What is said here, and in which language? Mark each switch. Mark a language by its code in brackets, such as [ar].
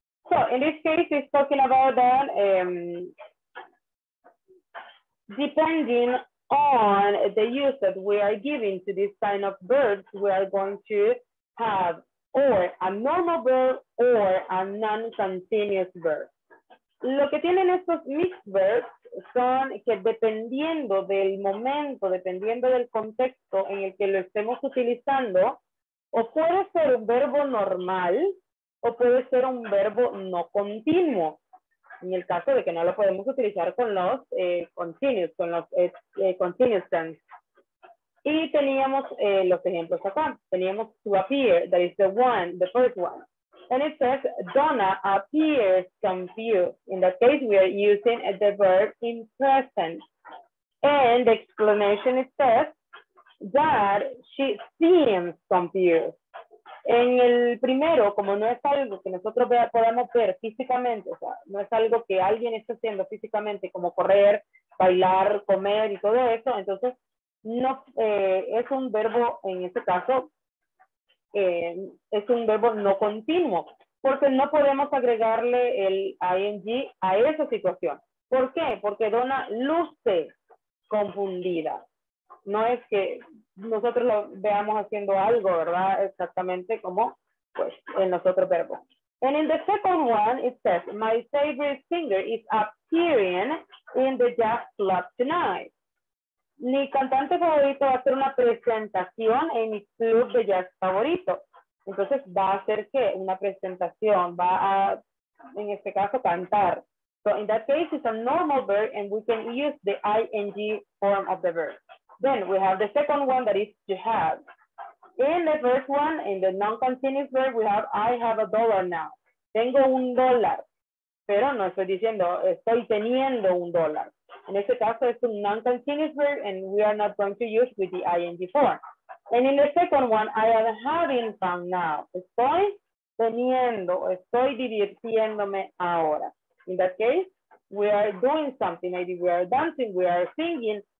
[en] So, in this case, it's talking about that depending on the use that we are giving to this kind of verbs, we are going to have or a normal verb or a non-continuous verb. [es] Lo que tienen estos mixed verbs son que dependiendo del momento, dependiendo del contexto en el que lo estemos utilizando, o puede ser un verbo normal o puede ser un verbo no continuo. En el caso de que no lo podemos utilizar con los continuous, con los continuous tense. Y teníamos los ejemplos acá. [en] Teníamos to appear, that is the one, the first one. And it says, Donna appears confused. In that case, we are using the verb in present. And the explanation says, that she seems confused. [es] En el primero, como no es algo que nosotros podamos ver físicamente, o sea, no es algo que alguien esté haciendo físicamente, como correr, bailar, comer y todo eso, entonces no, es un verbo, en este caso, es un verbo no continuo, porque no podemos agregarle el ing a esa situación. ¿Por qué? Porque Donna luce confundida. No es que nosotros lo veamos haciendo algo, ¿verdad? Exactamente como, pues, en los otros verbos. [en] And in the second one, it says, my favorite singer is appearing in the jazz club tonight. [es] Mi cantante favorito va a hacer una presentación en mi club de jazz favorito. Entonces, ¿va a hacer qué? Una presentación. Va a, en este caso, cantar. [en] So, in that case, it's a normal verb and we can use the ing form of the verb. Then we have the second one, that is to have. In the first one, in the non-continuous verb, we have I have a dollar now. [es] Tengo un dólar. Pero no estoy diciendo, estoy teniendo un dólar. [en] In [es] este caso, [en] it's a non-continuous verb and we are not going to use with the ing form. And in the second one, I am having fun now. [es] Estoy teniendo, estoy divirtiéndome ahora. [en] In that case, we are doing something. Maybe we are dancing, we are singing.